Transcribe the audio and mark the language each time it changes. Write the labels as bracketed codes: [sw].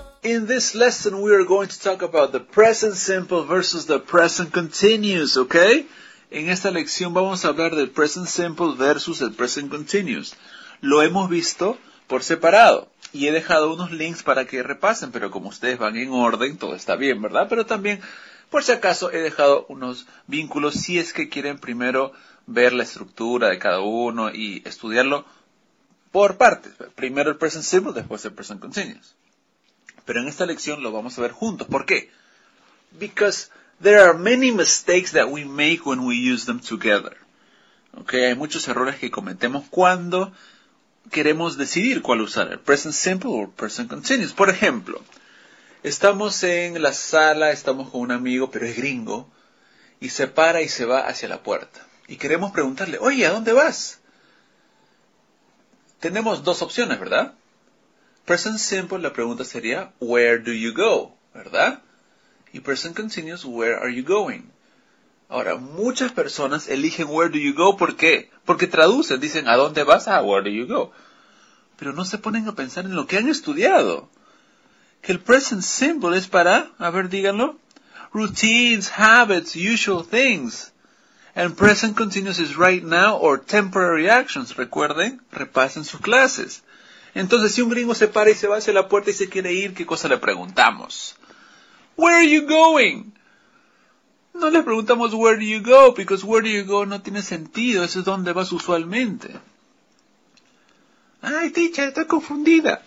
[en] In this lesson, we are going to talk about the present simple versus the present continuous, okay? [es] En esta lección vamos a hablar del present simple versus el present continuous. Lo hemos visto por separado y he dejado unos links para que repasen, pero como ustedes van en orden, todo está bien, ¿verdad? Pero también, por si acaso, he dejado unos vínculos si es que quieren primero ver la estructura de cada uno y estudiarlo por partes. Primero el present simple, después el present continuous. Pero en esta lección lo vamos a ver juntos. ¿Por qué? [en] Because there are many mistakes that we make when we use them together. [es] Okay, hay muchos errores que cometemos cuando queremos decidir cuál usar, el present simple o present continuous. Por ejemplo, estamos en la sala, estamos con un amigo, pero es gringo, y se para y se va hacia la puerta. Y queremos preguntarle, oye, ¿a dónde vas? Tenemos dos opciones, ¿verdad? Present simple, la pregunta sería, [en] where do you go? [es] ¿Verdad? Y present continuous, [en] where are you going? [es] Ahora, muchas personas eligen where do you go, ¿por qué? Porque traducen, dicen, ¿a dónde vas? [en] Ah, where do you go? [es] Pero no se ponen a pensar en lo que han estudiado. Que el present simple es para, a ver, díganlo, [en] routines, habits, usual things. And present continuous is right now or temporary actions. [es] Recuerden, repasen sus clases. Entonces, si un gringo se para y se va hacia la puerta y se quiere ir, ¿qué cosa le preguntamos? [en] Where are you going? [es] No le preguntamos [en] where do you go, because where do you go [es] no tiene sentido. Eso es donde vas usualmente. Ay, teacher, está confundida.